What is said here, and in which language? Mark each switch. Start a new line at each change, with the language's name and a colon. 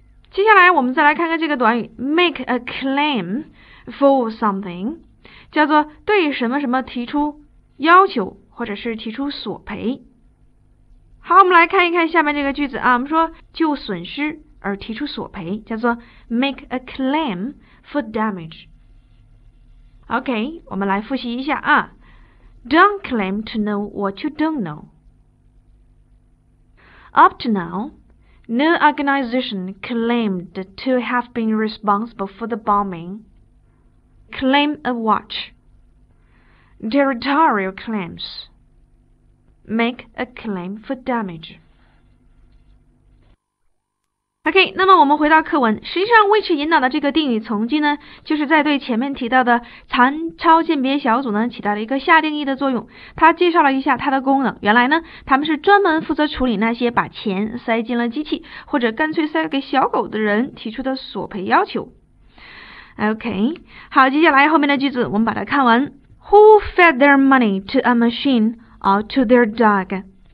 Chinese: 接下来我们再来看看这个短语
English: make a claim for something，
Chinese: 叫做对什么什么提出要求或者是提出索赔。好，我们来看一看下面这个句子啊，我们说就损失而提出索赔，叫做
English: make a claim for damage。
Chinese: OK， 我们来复习一下啊。
English: Don't claim to know what you don't know。 Up to now, no organization claimed to have been responsible for the bombing. Claim a watch. Territorial claims. Make a claim for damage.
Chinese: OK， 那么我们回到课文，实际上为其引导的这个定语从句呢，就是在对前面提到的残超鉴别小组呢起到了一个下定义的作用。他介绍了一下它的功能，原来呢他们是专门负责处理那些把钱塞进了机器或者干脆塞给小狗的人提出的索赔要求。 OK， 好，接下来后面的句子我们把它看完。
English: Who fed their money to a machine or to their dog？